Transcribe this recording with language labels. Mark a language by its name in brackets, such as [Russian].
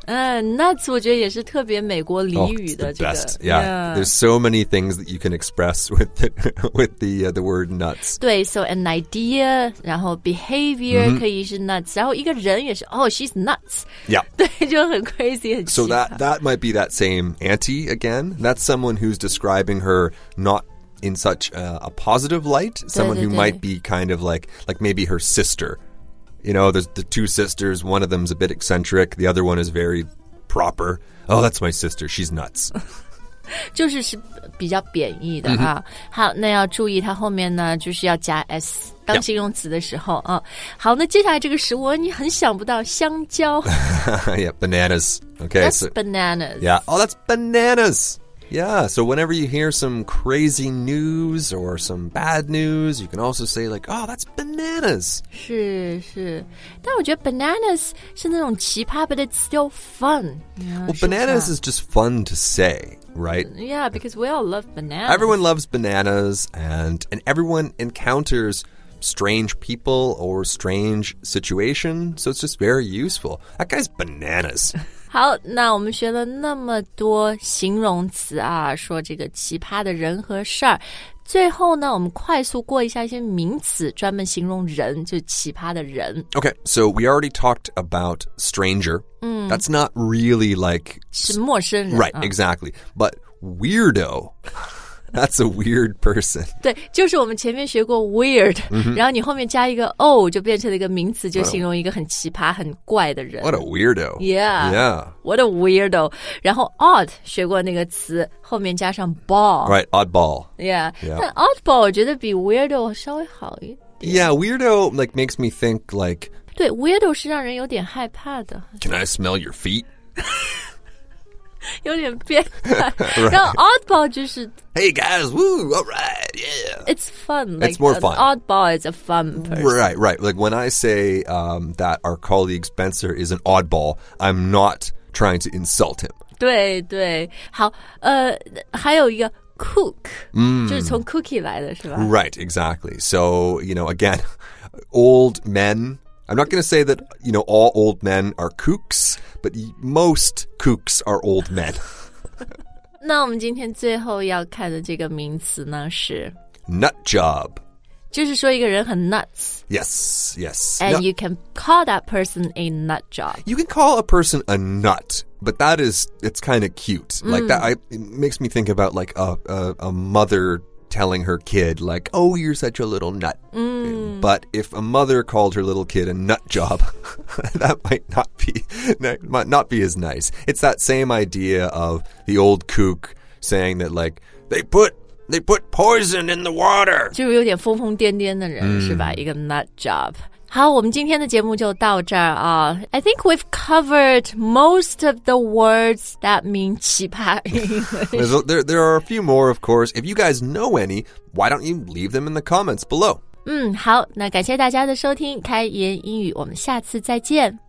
[Chinese] Nuts, 我觉得也是特别美国俚语的。 [English] Oh, it's the best. Yeah. There's so many things that you can express with the word nuts. [Chinese] 对, [English] so an idea, [Chinese] 然后 behavior 可以是 nuts, 然后一个人也是 [English] oh, she's nuts. Yeah. [Chinese] 对，就很 crazy, 很 [English] So that might be that same auntie again. That's someone who's describing her not in such a positive light. Someone who might be kind of like maybe her sister. You know, there's the two sisters. One of them's a bit eccentric. The other one is very proper. Oh, that's my sister. She's nuts. [Chinese] 就是是比较贬义的啊。好，那要注意它后面呢，就是要加 s 当形容词的时候啊。好，那接下来这个食物你很想不到，香蕉。 [English] Yeah, bananas. Okay, that's bananas. Yeah. Oh, that's bananas. Yeah. So whenever you hear some crazy news or some bad news, you can also say like, "Oh, that's bananas." [Chinese] 是是，但我觉得 bananas 是那种奇葩 ， [English] but it's still fun. Well, bananas is just fun to say. Right? Yeah, because we all love bananas. Everyone loves bananas, and everyone encounters strange people or strange situations, so it's just very useful. That guy's bananas. [Chinese] 好，那我们学了那么多形容词啊，说这个奇葩的人和事儿。最后呢，我们快速过一下一些名词，专门形容人，就奇葩的人。 [English] Okay, so we already talked about stranger. That's not really like... [Chinese] 是陌生人。 [English] Right, exactly. But weirdo, that's a weird person. [Chinese] 对，就是我们前面学过 weird,然后你后面加一个 o, 就变成了一个名词，就形容一个很奇葩、很怪的人。 [English] What a weirdo. Yeah. Yeah. What a weirdo. [Chinese] 然后 odd, 学过那个词。后面加上 ball. [English] Right, oddball. Yeah. [Chinese] But oddball, 我觉得比 weirdo 稍微好一点。 [English] Yeah, weirdo like, makes me think like... [Chinese] 对 ,weirdo 是让人有点害怕的。 [English] Can I smell your feet? [Chinese] 有点变态。 [English] Right. [Chinese] 然后 oddball 就是 [English] Hey guys, woo, alright, yeah. It's fun. Like, it's more fun. Oddball is a fun person. Right, right. Like when I say that our colleague Spencer is an oddball, I'm not trying to insult him. [Chinese] 对对，好，还有一个 cook,就是从 cookie 来的是吧 [English] ？Right, exactly. So, you know, again, old men I'm not going to say that, you know, all old men are kooks, but most kooks are old men. [Chinese] 那我们今天最后要看的这个名词呢是 [English] Nut job. [Chinese] 就是说一个人很 nuts. [English] Yes, yes. And you can call that person a nut job. You can call a person a nut, but that is, it's kind of cute. Like that, it makes me think about like a mother telling her kid like, oh, you're such a little nut. But if a mother called her little kid a nut job, that might not be, as nice. It's that same idea of the old kook saying that like, they put poison in the water. [Chinese] 就是有点疯疯癫癫的人是吧？一个 nut job. 好，我们今天的节目就到这儿啊。 [English] I think we've covered most of the words that mean 奇葩 English. there are a few more, of course. If you guys know any, why don't you leave them in the comments below? [Chinese] 好，那感谢大家的收听，开言英语，我们下次再见。